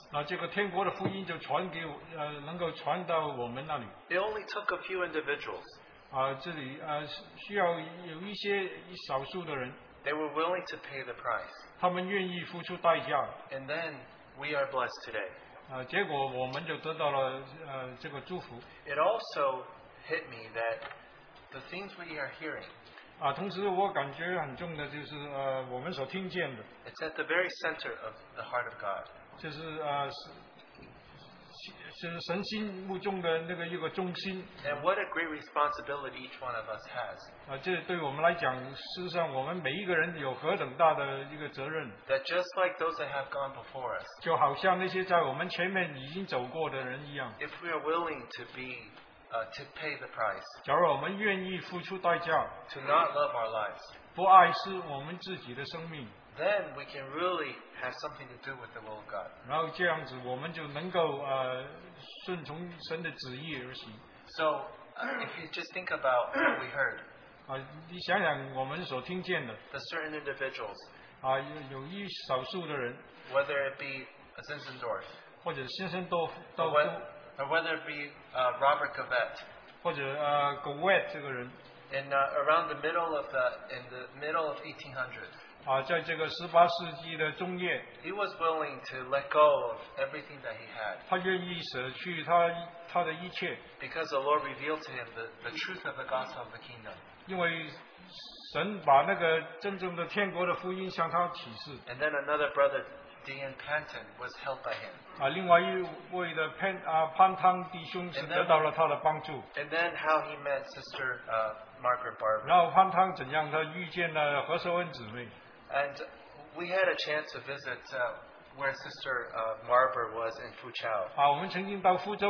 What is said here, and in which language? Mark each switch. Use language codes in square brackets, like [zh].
[en] It only took a few individuals. They were willing to pay the price. And then we are blessed today. It also hit me that the things we are hearing, [zh] 同时我感觉很重的就是, 我们所听见的, [en] it's at the very center of the heart of God. [zh] 就是神心目中的那个一个中心, [en] and what a great responsibility each one of us has. [zh] 这对我们来讲, 事实上我们每一个人有何等大的一个责任, [en] that just like those that have gone before us, [zh] 就好像那些在我们前面已经走过的人一样, [en] if we are willing to be to pay the price, [zh] 假如我们愿意付出代价, [en] to not love our lives, [zh] 不爱是我们自己的生命, [en] then we can really have something to do with the will of God. [zh] 然后这样子我们就能够, 顺从神的旨意而行。 [en] So, if you just think about what we heard, [zh] 你想想我们所听见的, [en] the certain individuals, [zh] 有一少数的人, [en] whether it be a Zinzendorf, [zh] 或者新生多夫, [en] or whether it be Robert Govett, [zh] 或者, Govett这个人, [en] in around the middle of the in the middle of 1800, he was willing to let go of everything that he had. [zh] 他愿意舍去他的一切, [en] because the Lord revealed to him the truth of the gospel of the kingdom. [zh] 因为神把那个真正的天国的福音向他启示. [en] And then another brother, Dean Panton, was helped by him. [zh] 另外一位的潘汤弟兄是得到了他的帮助。 [en] And then how he met Sister Margaret Barber. [zh] 然后潘汤怎样他遇见了何淑恩姊妹。 [en] And we had a chance to visit where Sister Barber was in Fuzhou.